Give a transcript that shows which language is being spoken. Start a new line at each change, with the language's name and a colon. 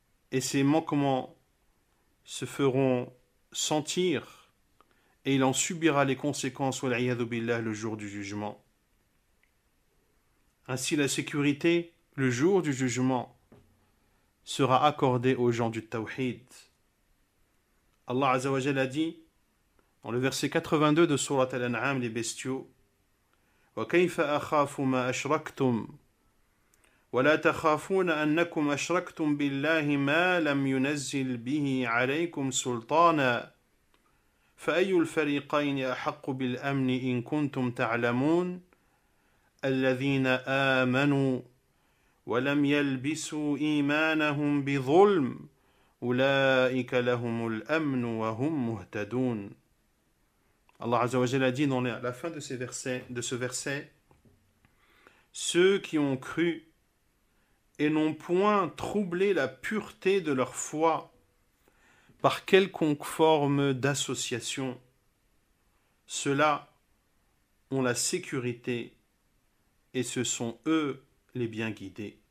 French: Et ces manquements se feront sentir et il en subira les conséquences le jour du jugement. Ainsi la sécurité, le jour du jugement, sera accordée aux gens du Tawhid. Allah Azzawajal a dit dans le verset 82 de Sourate Al-An'am, les bestiaux, «
Arabic: Wa kayfa akhafu ma ashraktum » ولا تخافون انكم اشركتم بالله ما لم ينزل به عليكم سلطانا فاي الفريقين احق بالامن ان كنتم تعلمون الذين امنوا ولم يلبسوا ايمانهم بظلم اولئك لهم الامن وهم مهتدون.
French: الله عز وجل a dit dans la fin de ces versets, ceux qui ont cru et n'ont point troublé la pureté de leur foi par quelconque forme d'association, ceux-là ont la sécurité et ce sont eux les bien guidés.